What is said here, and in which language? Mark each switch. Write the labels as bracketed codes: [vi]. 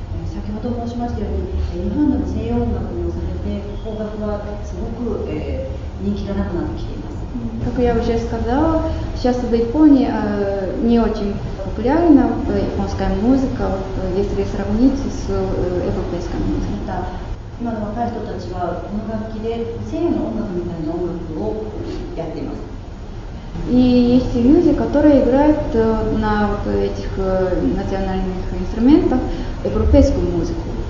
[ja] 先ほど申しましたように、日本の西洋音楽のされて、邦楽はすごく人気がなくなってきています。 [ru] Как я уже сказала, сейчас в Японии не очень популярна японская музыка, если сравнить с европейской музыкой. [ja] 今の若い人たちはこの楽器で西洋の音楽みたいな音楽をやっています。 [ru] И есть люди, которые играют на вот этих национальных инструментах европейскую музыку.